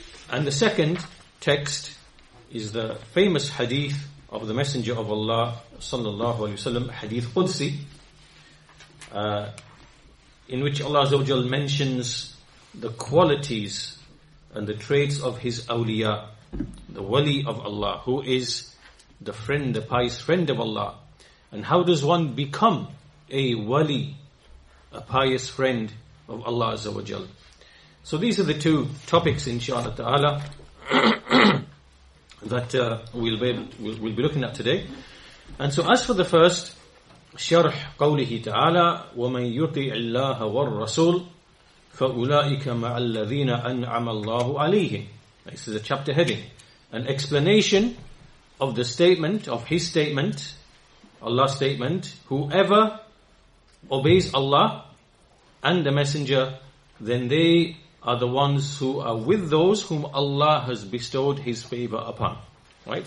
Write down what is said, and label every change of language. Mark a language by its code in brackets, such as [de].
[en] And the second text is the famous hadith of the Messenger of Allah sallallahu alayhi wa sallam, hadith Qudsi, in which Allah azza wa jal mentions the qualities and the traits of his awliya, the wali of Allah, who is the friend, the pious friend of Allah. And how does one become a wali, a pious friend of Allah azza wa jal? So these are the two topics, inshallah ta'ala, that we'll be looking at today. And so as for the first, [ar] شرح قوله تعالى وَمَنْ يُطِعِ اللَّهَ وَالرَّسُولِ فَأُولَٰئِكَ مَعَ الَّذِينَ أَنْعَمَ اللَّهُ عَلَيْهِمْ. [en] This is a chapter heading. An explanation of the statement, of his statement, Allah's statement, whoever obeys Allah and the Messenger, then they are the ones who are with those whom Allah has bestowed his favor upon. Right?